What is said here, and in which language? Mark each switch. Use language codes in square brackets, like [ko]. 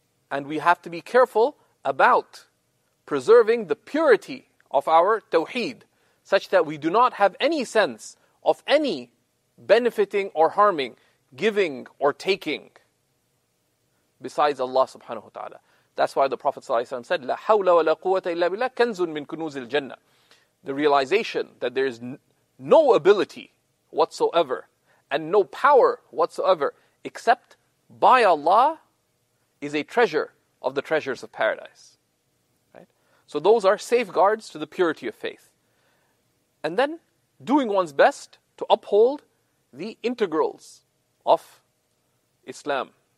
[en] And we have to be careful about preserving the purity of our tawheed, such that we do not have any sense of any benefiting or harming, giving or taking, besides Allah subhanahu wa ta'ala. That's why the Prophet ﷺ said, [ar] لَا حَوْلَ وَلَا قُوَّةَ إِلَّا بِاللَّهِ كَنْزٌ مِّن كُنُوزِ الْجَنَّةِ. [en] The realization that there is no ability whatsoever and no power whatsoever except by Allah is a treasure of the treasures of paradise. Right? So those are safeguards to the purity of faith. And then doing one's best to uphold the integrals of Islam.